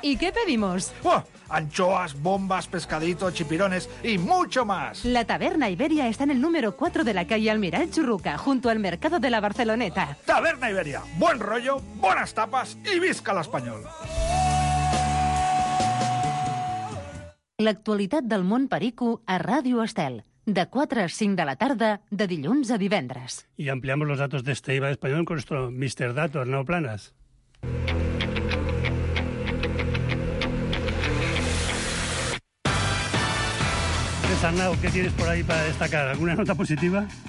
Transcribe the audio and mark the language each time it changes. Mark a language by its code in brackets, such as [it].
[es] ¿Y qué pedimos? ¡Oh! Anchoas, bombas, pescadito, chipirones y mucho más. La Taberna Iberia está en el número 4 de la calle Almirall Churruca, junto al Mercado de la Barceloneta. Taberna Iberia. Buen rollo, buenas tapas y visca el Español. [ca] L'actualitat del món perico a Ràdio Estel. De 4 a 5 de la tarda, de dilluns a divendres. [es] I ampliamos los datos de este IVA español con nuestro Mr. Dato, Arnau Planas. Arnau, ¿qué tienes por ahí para destacar? ¿Alguna nota positiva?